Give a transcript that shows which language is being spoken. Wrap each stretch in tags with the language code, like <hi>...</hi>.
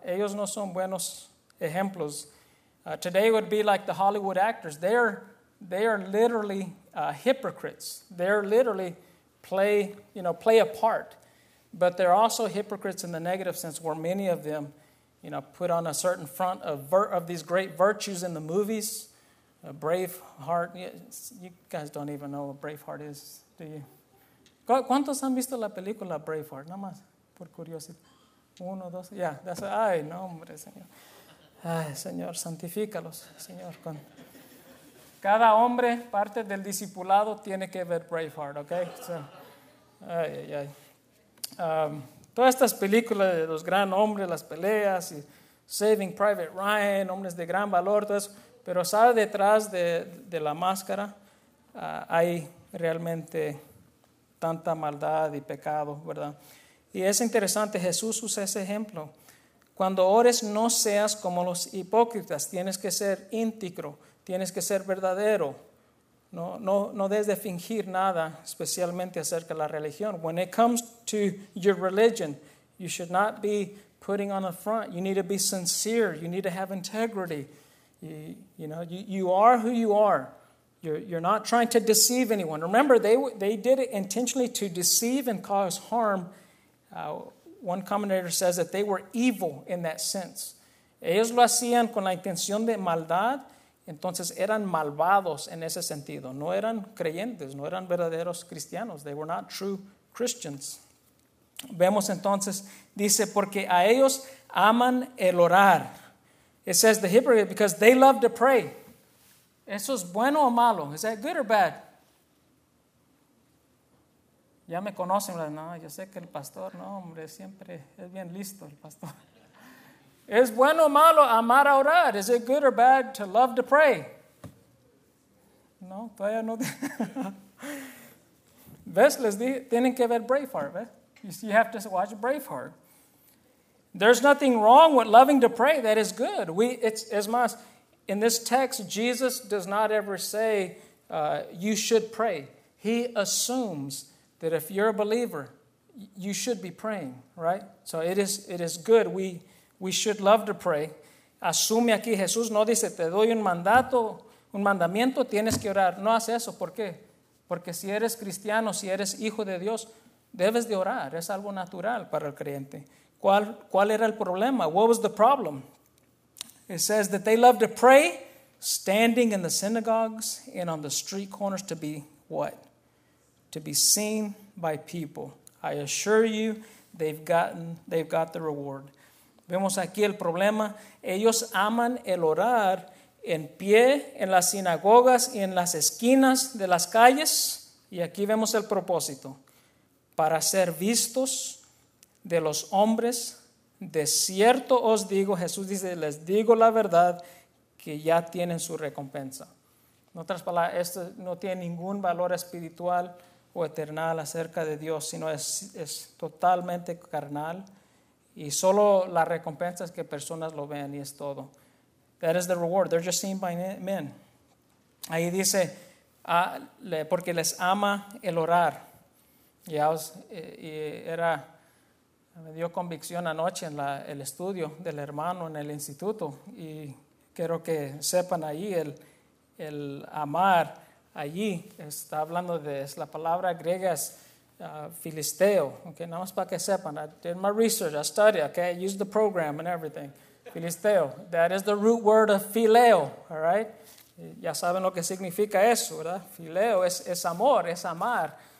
<es>Ellos no son buenos ejemplos.</es> <en>Today would be like the Hollywood actors. They are literally hypocrites. They're literally play a part. But they're also hypocrites in the negative sense, where many of them, you know, put on a certain front of these great virtues in the movies. A brave heart. You guys don't even know what a brave heart is, do you?</en> <es>¿Cuántos han visto la película Braveheart? Nada más, por curiosidad. Uno, dos, ya. Yeah. Ay, no, hombre, Señor. Ay, Señor, santifícalos, Señor. Cada hombre, parte del discipulado, tiene que ver Braveheart, ¿ok? So, ay, ay, ay. Todas estas películas de los gran hombres, las peleas, y Saving Private Ryan, hombres de gran valor, todo eso. Pero sabe, detrás de la máscara hay realmente tanta maldad y pecado, ¿verdad? Y es interesante, Jesús usa ese ejemplo. Cuando ores, no seas como los hipócritas. Tienes que ser íntegro, tienes que ser verdadero. No debes de fingir nada, especialmente acerca de la religión.</es> <en>When it comes to your religion, you should not be putting on a front. You need to be sincere. You need to have integrity. You are who you are. You're not trying to deceive anyone. Remember, they did it intentionally to deceive and cause harm. One commentator says that they were evil in that sense.</en> <es>Ellos lo hacían con la intención de maldad. Entonces eran malvados en ese sentido. No eran creyentes, no eran verdaderos cristianos.</es> <en>They were not true Christians.</en> <es>Vemos entonces, dice, porque a ellos aman el orar.</es> <en>It says the hypocrite, because they love to pray.</en> <es>¿Eso es bueno o malo?</es> <en>Is that good or bad?</en> <es>Ya me conocen. No, yo sé que el pastor, no, hombre, siempre es bien listo el pastor. ¿Es bueno o malo amar a orar?</es> <en>Is it good or bad to love to pray?</en> <es>No, todavía no. ¿Ves? Les dije, tienen que ver Braveheart, ¿ves?</es> <en>You have to watch Braveheart. There's nothing wrong with loving to pray. That is good.</en> <es>Es más,</es> <en>in this text, Jesus does not ever say you should pray. He assumes that if you're a believer, you should be praying, right? So it is good. We should love to pray.</en> <es>Asume aquí, Jesús no dice, te doy un mandamiento, tienes que orar. No hace eso, ¿por qué? Porque si eres cristiano, si eres hijo de Dios, debes de orar, es algo natural para el creyente. ¿Cuál era el problema?</es> <en>What was the problem? It says that they love to pray, standing in the synagogues and on the street corners to be what? To be seen by people. I assure you, they've got the reward.</en> <es>Vemos aquí el problema. Ellos aman el orar en pie, en las sinagogas y en las esquinas de las calles. Y aquí vemos el propósito. Para ser vistos de los hombres, de cierto os digo, Jesús dice, les digo la verdad, que ya tienen su recompensa. En otras palabras, esto no tiene ningún valor espiritual o eternal acerca de Dios, sino es totalmente carnal. Y solo la recompensa es que personas lo vean y es todo.</es> <en>That is the reward. They're just seen by men.</en> <es>Ahí dice, porque les ama el orar. Y era, me dio convicción anoche en el estudio del hermano en el instituto. Y quiero que sepan ahí, el amar allí, está hablando de, es la palabra griega es, filisteo, okay, nada más para que sepan.</es> <en>I did my research, I studied, okay, I used the program and everything. Filisteo, that is the root word of phileo, all right?</en> <es>Ya saben lo que significa eso, ¿verdad? Phileo es amor, es amar.</es>